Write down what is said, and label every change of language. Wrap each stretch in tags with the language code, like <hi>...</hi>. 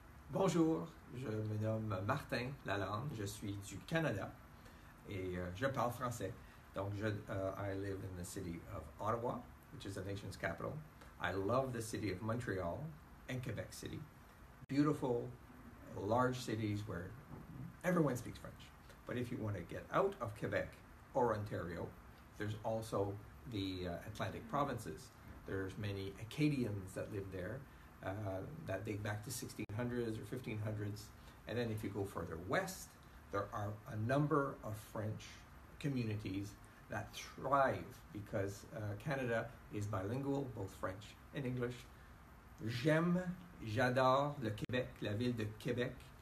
<fr>Bonjour, je me nomme Martin Lalande, je suis du Canada et je parle français.</fr> <en>Donc, I live in the city of Ottawa, which is the nation's capital. I love the city of Montreal and Quebec City. Beautiful, large cities where everyone speaks French. But if you want to get out of Quebec or Ontario, there's also the Atlantic provinces. There's many Acadians that live there. That date back to 1600s or 1500s. And then if you go further west, there are a number of French communities that thrive because Canada is bilingual, both French and English.</en> <fr>J'aime, j'adore le Québec, la ville de Québec.</fr>